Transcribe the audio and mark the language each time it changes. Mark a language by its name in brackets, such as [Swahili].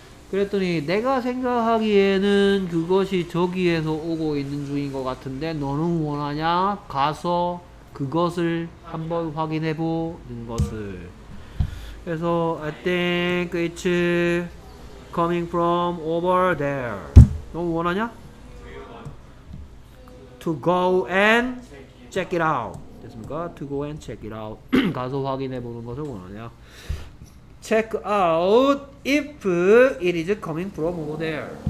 [Korean] 그랬더니 내가 생각하기에는 그것이 저기에서 오고 있는 중인 것 같은데 너는 원하냐? 가서 그것을 한번 확인해 보는 것을. 그래서 [English] I think it's coming from over there. [Korean] 너는 원하냐? [English] To go and check it out. [Korean] 됐습니까? [English] To go and check it out. [Korean] 가서 확인해 보는 것을 원하냐? [English] Check out if it is coming from over there.